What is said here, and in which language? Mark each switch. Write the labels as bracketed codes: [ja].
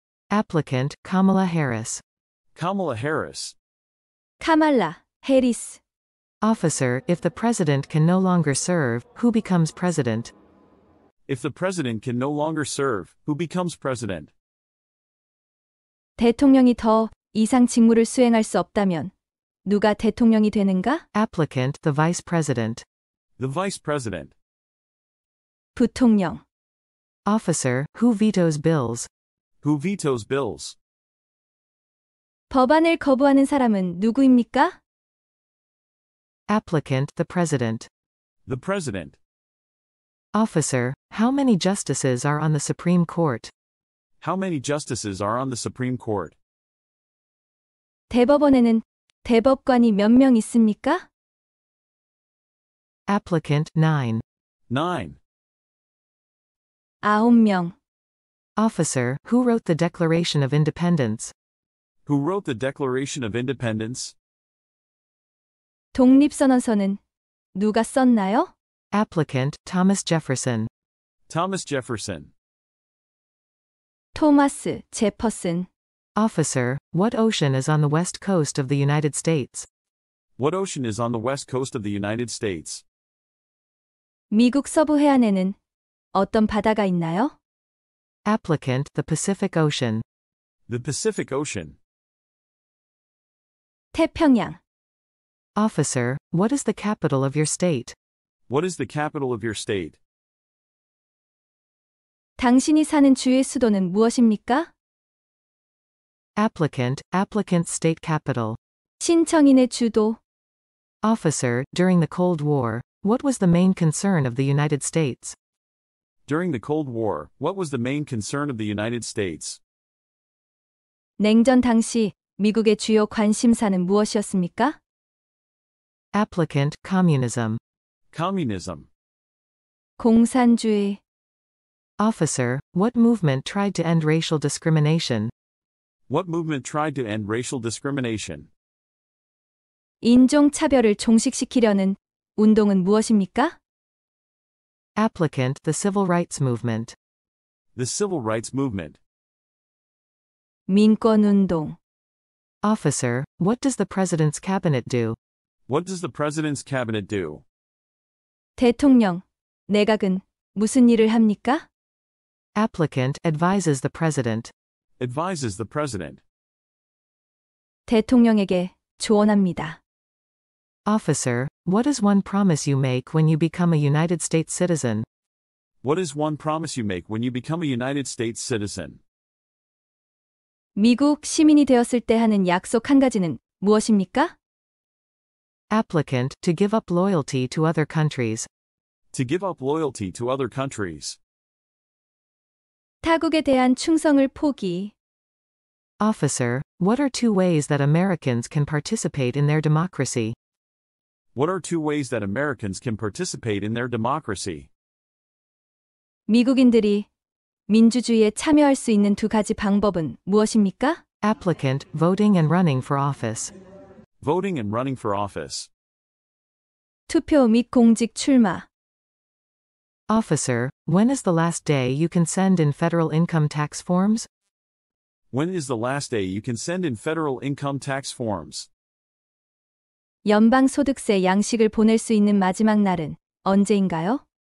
[en] Applicant, Kamala Harris. Kamala Harris. Kamala Harris. Officer, if the president can no longer serve, who becomes president? If the president can no longer serve, who becomes president? [ko] 대통령이 더 이상 직무를 수행할 수 없다면 누가 대통령이 되는가? [en] Applicant, the vice president. The vice president. [ko] 부통령. [en] Officer, who vetoes bills? Who vetoes bills? [ko] 법안을 거부하는 사람은 누구입니까? [en] Applicant, the president. The president. Officer, how many justices are on the Supreme Court? How many justices are on the Supreme Court? [ko] 대법원에는 대법관이 몇 명 있습니까? [en] Applicant, 9. 9. [ko] 아홉 명. [en] Officer, who wrote the Declaration of Independence? Who wrote the Declaration of Independence? [ko] 독립선언서는 누가 썼나요? [en] Applicant, Thomas Jefferson. Thomas Jefferson. Thomas Jefferson. Officer, what ocean is on the west coast of the United States? What ocean is on the west coast of the United States? [ko] 미국 서부 해안에는 어떤 바다가 있나요? [en] Applicant, the Pacific Ocean. The Pacific Ocean. [ko] 태평양. [en] Officer, what is the capital of your state? What is the capital of your state? [ko] 당신이 사는 주의 수도는 무엇입니까? [en] Applicant, applicant's state capital. [ko] 신청인의 주도. [en] Officer, during the Cold War, what was the main concern of the United States? During the Cold War, what was the main concern of the United States? [ko] 냉전 당시 미국의 주요 관심사는 무엇이었습니까? [en] Applicant, communism. Communism. [ko] 공산주의. [en] Officer, what movement tried to end racial discrimination? What movement tried to end racial discrimination? [ko] 인종차별을 종식시키려는 운동은 무엇입니까? [en] Applicant, the civil rights movement. The civil rights movement. [ko] 민권운동. [en] Officer, what does the president's cabinet do? What does the president's cabinet do? [ko] 대통령, 내각은 무슨 일을 합니까? [en] Applicant advises the president. Advises the president. [ko] 대통령에게 조언합니다. [en] Officer, what is one promise you make when you become a United States citizen? What is one promise you make when you become a United States citizen? [ko] 미국 시민이 되었을 때 하는 약속 한 가지는 무엇입니까? [en] Applicant, to give up loyalty to other countries. To give up loyalty to other countries. [ko] 타국에 대한 충성을 포기. [en] Officer, what are two ways that Americans can participate in their democracy? What are two ways that Americans can participate in their democracy? [ko] 미국인들이 민주주의에 참여할 수 있는 두 가지 방법은 무엇입니까? [en] Applicant, voting and running for office. Voting and running for office. [ko] 투표 및 공직 출마. [en] Officer, when is the last day you can send in federal income tax forms? When is the last day you can send in federal income tax forms? [ko] 연방소득세 양식을 보낼 수 있는 마지막 날은 언제인가요?